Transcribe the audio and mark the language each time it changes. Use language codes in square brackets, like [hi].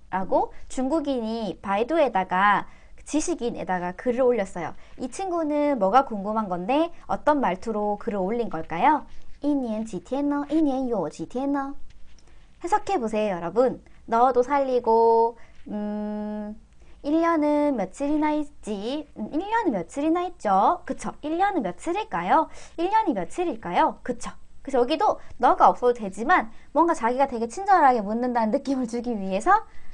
[ko] 라고 중국인이 바이두에다가 지식인에다가 글을 올렸어요. 이 친구는 뭐가 궁금한 건데 어떤 말투로 글을 올린 걸까요? [zh] 一年几天呢?一年有几天呢? [ko] 해석해 보세요, 여러분. 너도 살리고 1년은 며칠이나 있지? 1년은 며칠이나 있죠? 그쵸? 1년은 며칠일까요? 1년이 며칠일까요? 그쵸? 그래서 여기도 너가 없어도 되지만 뭔가 자기가 되게 친절하게 묻는다는 느낌을 주기 위해서